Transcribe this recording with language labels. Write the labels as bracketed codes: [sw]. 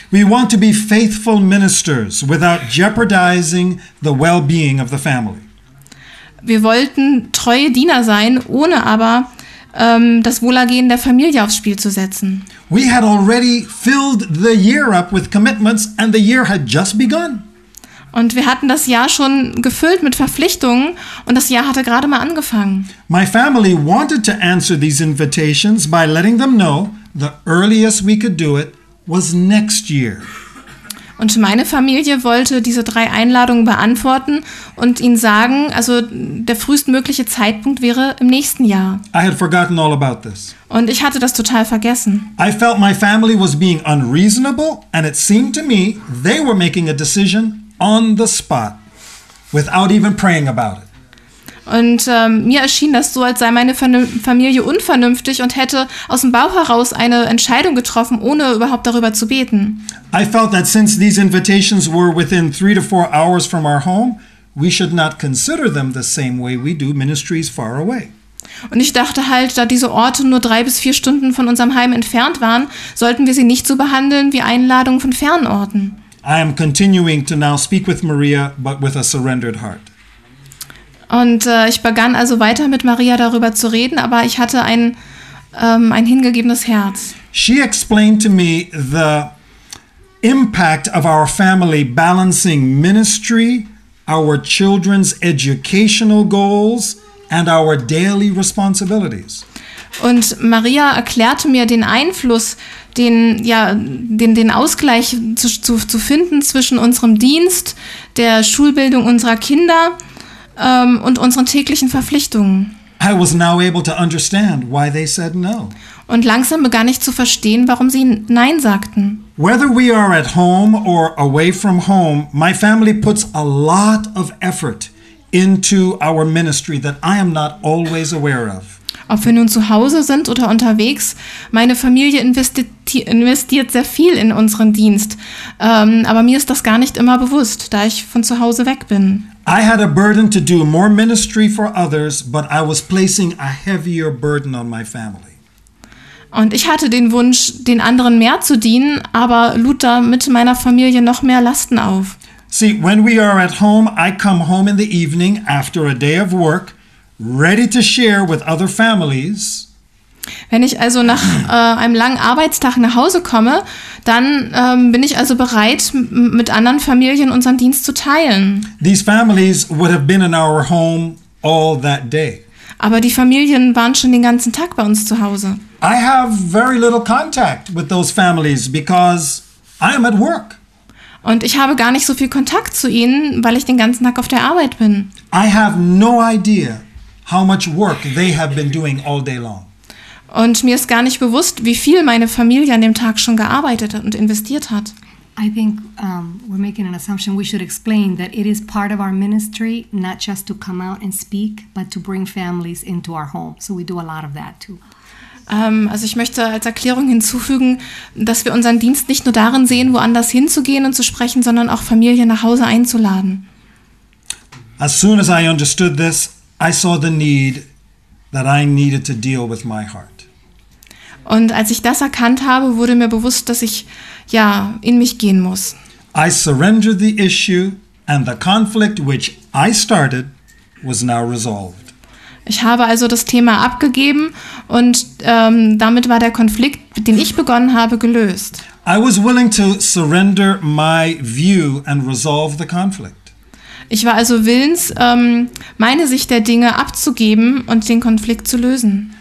[en] We want to be faithful ministers without jeopardizing the well-being of the family. [de] Wir wollten treue Diener sein, ohne aber das Wohlergehen der Familie aufs Spiel zu setzen. [en] We had already filled the year up with commitments and the year had just begun. [de] Und wir hatten das Jahr schon gefüllt mit Verpflichtungen und das Jahr hatte gerade mal angefangen. [en] My family wanted to answer these invitations by letting them know the earliest we could do it was next year. [de] Und meine Familie wollte diese drei Einladungen beantworten und ihnen sagen, also der frühestmögliche Zeitpunkt wäre im nächsten Jahr. [en] I had forgotten all about this. [de] Und ich hatte das total vergessen. [en] I felt my family was being unreasonable and it seemed to me they were making a decision on the spot, without even praying about it. [de] Und mir erschien das so, als sei meine Familie unvernünftig und hätte aus dem Bauch heraus eine Entscheidung getroffen, ohne überhaupt darüber zu beten. [en] I felt that since these invitations were within 3 to 4 hours from our home, we should not consider them the same way we do ministries far away. [de] Und ich dachte halt, da diese Orte nur 3 bis 4 Stunden von unserem Heim entfernt waren, sollten wir sie nicht so behandeln wie Einladungen von fernen Orten. [en] I am continuing to now speak with Maria, but with a surrendered heart. [de] Und ich begann also weiter mit Maria darüber zu reden, aber ich hatte ein hingegebenes Herz. [en] She explained to me the impact of our family balancing ministry, our children's educational goals and our daily responsibilities. [de] Und Maria erklärte mir den Einfluss, den Ausgleich zu finden zwischen unserem Dienst, der Schulbildung unserer Kinder und unseren täglichen Verpflichtungen. [en] I was now able to understand why they said no. [de] Und langsam begann ich zu verstehen, warum sie Nein sagten. [en] Whether we are at home or away from home, my family puts a lot of effort into our ministry that I am not always aware of. [de] Ob wir nun zu Hause sind oder unterwegs, meine Familie investiert sehr viel in unseren Dienst. Aber mir ist das gar nicht immer bewusst, da ich von zu Hause weg bin. [en] I had a burden to do more ministry for others, but I was placing a heavier burden on my family. [de] Und ich hatte den Wunsch, den anderen mehr zu dienen, aber lud da mit meiner Familie noch mehr Lasten auf. [en] See, when we are at home, I come home in the evening after a day of work, ready to share with other families. [de] Wenn ich also nach einem langen Arbeitstag nach Hause komme, dann bin ich also bereit, mit anderen Familien unseren Dienst zu teilen. [en] These families would have been in our home all that day. [de] Aber die Familien waren schon den ganzen Tag bei uns zu Hause. [en] I have very little contact with those families because I am at work. [de] Und ich habe gar nicht so viel Kontakt zu ihnen, weil ich den ganzen Tag auf der Arbeit bin. [en] I have no idea how much work they have been doing all day long. [de] Und mir ist gar nicht bewusst, wie viel meine Familie an dem Tag schon gearbeitet und investiert hat. [en] I think we're making an assumption. We should explain that it is part of our ministry not just to come out and speak, but to bring families into our home. So we do a lot of that too. [de] Also ich möchte als Erklärung hinzufügen, dass wir unseren Dienst nicht nur darin sehen, woanders hinzugehen und zu sprechen, sondern auch Familien nach Hause einzuladen. [en] As soon as I understood this, I saw the need that I needed to deal with my heart. [de] Und als ich das erkannt habe, wurde mir bewusst, dass ich ja in mich gehen muss. [en] I surrendered the issue and the conflict which I started was now resolved. [de] Ich habe also das Thema abgegeben und damit war der Konflikt, den ich begonnen habe, gelöst. [en] I was willing to surrender my view and resolve the conflict. [de] Ich war also willens, meine Sicht der Dinge abzugeben und den Konflikt zu lösen.